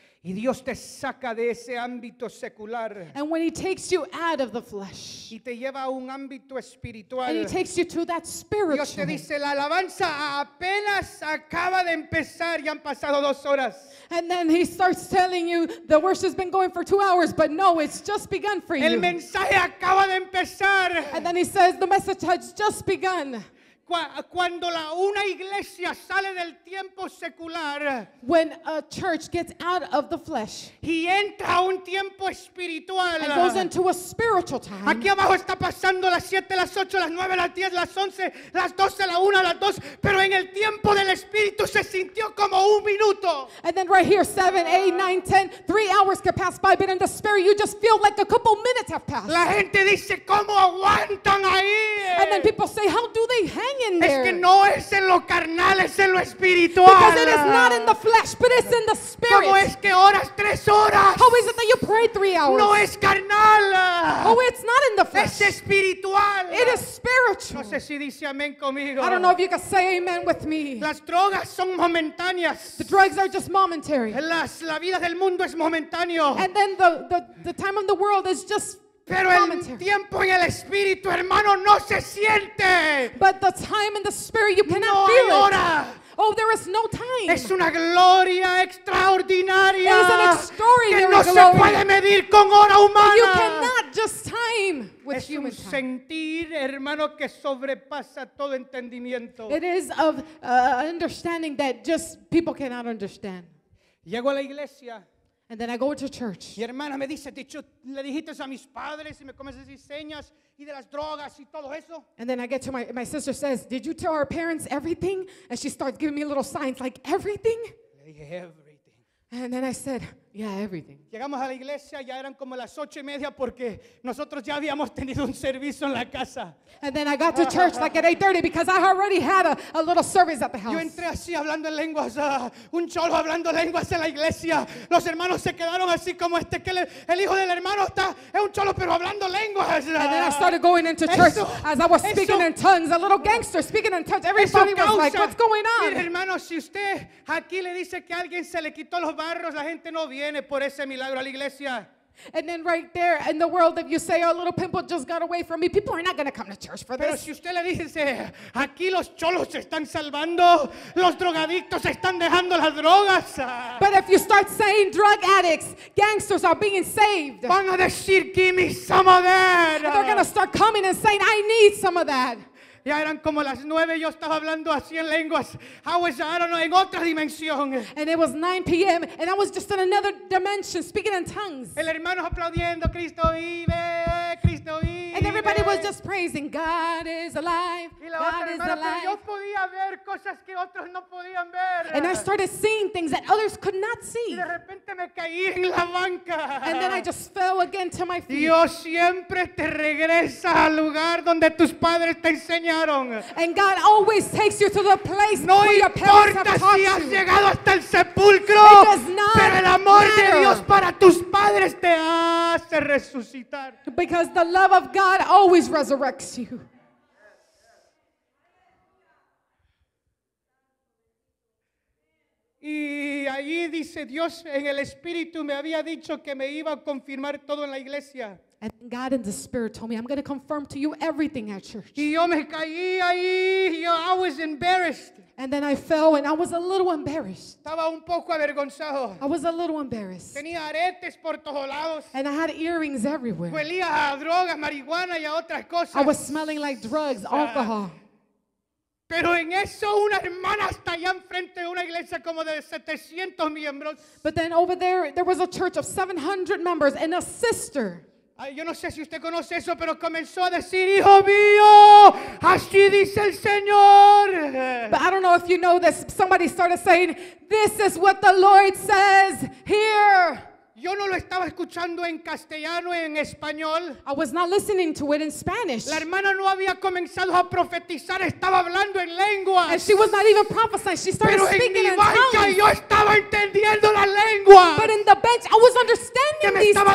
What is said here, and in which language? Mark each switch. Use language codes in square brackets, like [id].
[es] y Dios te saca de ese ámbito secular, [en] and when he takes you out of the flesh, [es] y te lleva a un ámbito espiritual, [en] and he takes you to that spiritual, [es] Dios te dice, la alabanza apenas acaba de empezar y han pasado 2 horas. [en] And then he starts telling you, the worship's been going for 2 hours, but no, it's just begun for [es] el [en] you. [es] El mensaje acaba de empezar. [en] And then he says, the message has just begun. [es] Cuando una iglesia sale del tiempo secular, [en] when a church gets out of the flesh, [es] y entra a un tiempo espiritual, [en] and goes into a spiritual time. [es] Aquí abajo está pasando las 7, las 8, las 9, las 10, las 11, las 12, la 1, las 2, pero en el tiempo del espíritu se sintió como un minuto. [en] And then right here, 7, 8, 9, 10, 3 hours can pass by, but in the spirit you just feel like a couple minutes have passed. [es] La gente dice, ¿cómo aguantan ahí? [en] And then people say, how do they hang? [es] Es que no es en lo carnal, es en lo espiritual. [en] Because it is not in the flesh, but it's in the spirit. [es] ¿Cómo es que oras 3 horas? [en] How is it that you pray 3 hours? [es] No es carnal. [en] Oh, it's not in the flesh. [es] Es espiritual. [en] It is spiritual. [es] No sé si dice amén conmigo. [en] I don't know if you can say amen with me. [es] Las drogas son momentáneas. [en] The drugs are just momentary. [es] La vida del mundo es momentáneo. [en] And then the time of the world is just. [es] Pero el tiempo en el espíritu, hermano, no se siente. [en] But the time in the spirit, you cannot feel it. [es] No hay hora. [en] Oh, there is no time. [es] Es una gloria extraordinaria. [en] It is an extraordinary [es] que no [en] glory. [es] Se puede medir con hora humana. [en] You cannot just time with [es] es [en] human time. [es] Es un sentir, hermano, que sobrepasa todo entendimiento. [en] It is of understanding that just people cannot understand. [es] Llego a la iglesia. [en] And then I go to church. [es] Mi hermana me dice, le dijiste a mis padres y me comienzas a decir señas y de las drogas y todo eso. [en] And then I get to my sister says, did you tell our parents everything? And she starts giving me little signs like everything. Everything. And then I said, yeah, everything. [es] Llegamos a la iglesia ya eran como las 8:30 porque nosotros ya habíamos tenido un servicio en la casa. [en] And then I got to church like at 8:30 because I already had a little service at the house. [es] Yo entré así hablando en lenguas, un cholo hablando lenguas en la iglesia. Los hermanos se quedaron así como este que el hijo del hermano está es un cholo pero hablando lenguas. [en] And then I started going into church as I was speaking in tongues, a little gangster speaking in tongues. Everybody was like, what's going on? [es] Mire, hermano, si usted aquí le dice que alguien se le quitó los barros, la gente no viene por ese milagro a la iglesia. [en] And then right there in the world, if you say, oh, a little pimple just got away from me, people are not going to come to church for [es] pero [en] this. [es] Pero si usted le dice, aquí los cholos se están salvando, los drogadictos están dejando las drogas. [en] But if you start saying drug addicts, gangsters are being saved. [es] Van a decir, [en] give me some of that. And they're going to start coming and saying, I need some of that. [es] Ya eran como las 9, yo estaba hablando así en lenguas. [en] I was, I don't know, [es] en otra dimensión. [en] And it was 9 p.m. and I was just in another dimension, speaking in tongues. [es] El hermano aplaudiendo, Cristo vive, Cristo vive. [en] And everybody was just praising, God is alive, God is alive. [es] Yo podía ver cosas que otros no podían ver. [en] And I started seeing things that others could not see. [es] Y de repente me caí en la banca. [en] And then I just fell again to my feet. [es] Dios siempre te regresa al lugar donde tus padres te enseñaron. [en] And God always takes you to the place [es] no [en] where your parents have taught [es] si has [en] you. [es] Llegado hasta el sepulcro, [en] it does not [es] pero el amor de Dios para tus padres te hace resucitar. [en] Because the love of God always resurrects you. [es] Y allí dice Dios en el espíritu me había dicho que me iba a confirmar todo en la iglesia. [en] And God in the spirit told me, I'm going to confirm to you everything at church. [es] Y yo me caí ahí, yo, [en] I was embarrassed. And then I fell and I was a little embarrassed. [es] Estaba un poco avergonzado. [en] I was a little embarrassed. [es] Tenía aretes por todos lados. [en] And I had earrings everywhere. [es] Huelía a drogas, marihuana y a otras cosas. [en] I was smelling like drugs, alcohol. [es] Pero en eso una hermana está allá enfrente de una iglesia como de 700 miembros. [en] But then over there, there was a church of 700 members and a sister. [es] Yo no sé si usted conoce eso, pero comenzó a decir, hijo mío, así dice el Señor. [en] But I don't know if you know this. Somebody started saying, this is what the Lord says here. [es] Yo no lo estaba escuchando en castellano, en español. [en] I was not listening to it in Spanish. [es] La hermana no había comenzado a profetizar, estaba hablando en lenguas. [en] And she was not even prophesying, she started [es] Pero [en] speaking [es] en [en] in tongues. [es] Yo estaba entendiendo la lengua. [en] But in the bench, I was understanding these tongues.